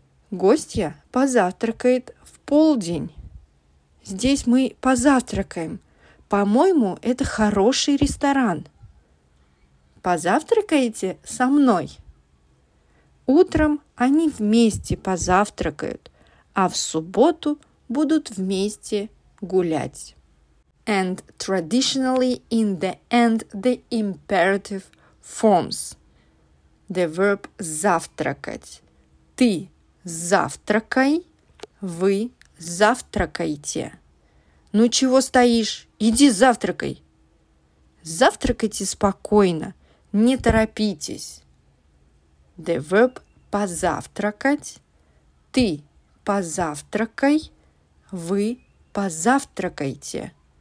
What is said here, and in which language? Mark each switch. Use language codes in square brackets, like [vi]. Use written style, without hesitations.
[ru] Гостья позавтракает в полдень. Здесь мы позавтракаем. По-моему, это хороший ресторан. Позавтракаете со мной? Утром они вместе позавтракают, а в субботу будут вместе гулять. [en] And traditionally in the end the imperative forms. The verb завтракать. [ru] Ты завтракай, вы завтракайте. Ну чего стоишь? Иди завтракай. Завтракайте спокойно, не торопитесь. [en] The verb [ru] позавтракать. Ты позавтракай, вы позавтракайте.